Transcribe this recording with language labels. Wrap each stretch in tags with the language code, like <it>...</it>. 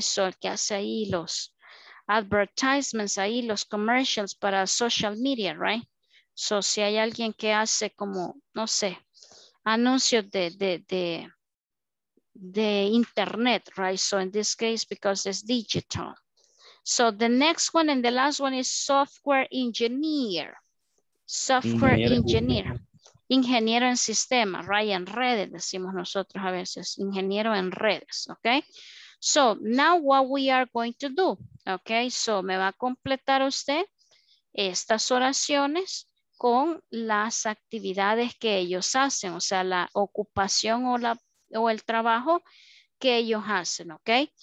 <es>So el que hace ahí los advertisements, ahí los commercials para social media, right? So si hay alguien que hace como, no sé, anuncios de internet, right?</es> <en>So in this case, because it's digital. So the next one and the last one is software engineer. Software engineer.</en> <es>Ingeniero en sistema, right? En redes, decimos nosotros a veces. Ingeniero en redes, okay?</es> <en>So now what we are going to do, okay?</en> <es>So me va a completar usted estas oraciones con las actividades que ellos hacen, o sea, la ocupación o la o el trabajo que ellos hacen, ¿ok?</es>